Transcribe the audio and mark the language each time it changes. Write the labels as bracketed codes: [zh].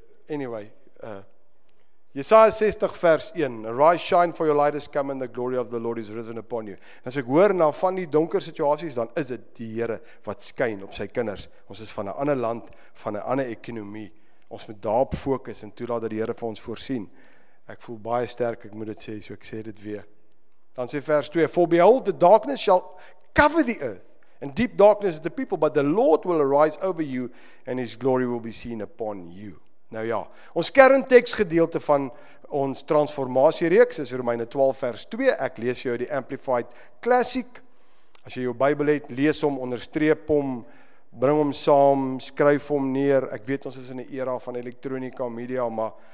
[en] Anyway, [af] Jesaja 60 vers 1, [en] Arise, shine for your light has come and the glory of the Lord is risen upon you. [af] En as ek hoor na van die donker situasies, dan is dit die Here wat skyn op sy kinders. Ons is van 'n ander land, van 'n ander ekonomie. Ons moet daarop fokus en toelaat dat die Here vir ons voorsien. Ek voel baie sterk, ek moet dit sê, so ek sê dit weer. Dan sê vers 2, [en] For behold, the darkness shall cover the earth. And deep darkness is the people, but the Lord will arise over you and his glory will be seen upon you. [af] Nou ja, ons kernteksgedeelte van ons transformasiereeks is Romeine 12 vers 2. Ek lees jou die Amplified Classic. As jy jou Bybel het, lees hom, onderstreep hom, bring hom saam, skryf hom neer. Ek weet ons is in 'n era van elektronika media, maar